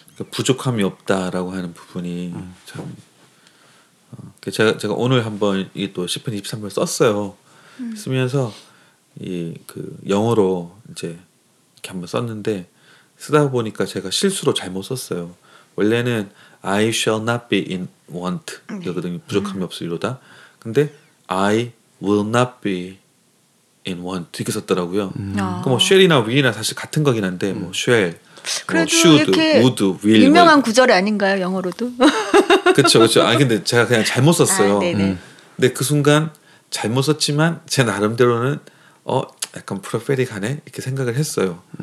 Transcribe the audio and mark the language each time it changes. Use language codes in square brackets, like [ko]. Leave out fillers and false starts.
[ko] 부족함이 없다라고 하는 부분이 참 제가 오늘 한번 이 또 시편 23편 썼어요. 쓰면서 이 그 영어로 이제 이렇게 한번 썼는데 쓰다 보니까 제가 실수로 잘못 썼어요. 원래는 [en] I shall not be in want [ko] 이거든요. 부족함이 없으리로다. 근데 [en] I will not be in want [ko] 이렇게 썼더라고요. 그럼 뭐 shall이나 will이나 사실 같은 거긴 한데 뭐 shall 그래도 뭐 [en] should, 이렇게 would, will, 유명한 will. [ko] 구절 아닌가요 영어로도? 그렇죠. 아 근데 제가 그냥 잘못 썼어요. 근데 그 순간 잘못 썼지만 제 나름대로는 약간 프로페틱하네 이렇게 생각을 했어요.